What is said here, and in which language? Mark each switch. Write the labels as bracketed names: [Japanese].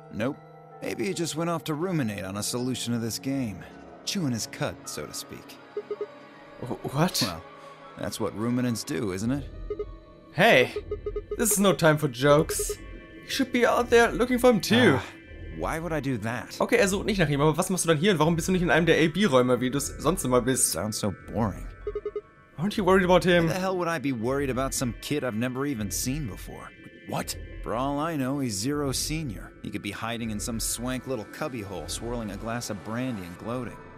[English] Nope. Maybe he just went off to ruminate on a solution to this game. Chewing his cut, so to speak. What? Well, that's what ruminants do, isn't it? Hey, this is no time for jokes. You should be out there looking for him too. Why would I do that? [German] Okay, sucht nicht nach ihm, aber was machst du dann hier und warum bist du nicht in einem der AB-Räume, wie du es sonst immer bist? [English] Sounds so boring. Aren't you worried about him? Why the hell would I be worried about some kid I've never even seen before? What? For all I know, he's Zero Senior. He could be hiding in some swank little cubbyhole, swirling a glass of brandy and gloating.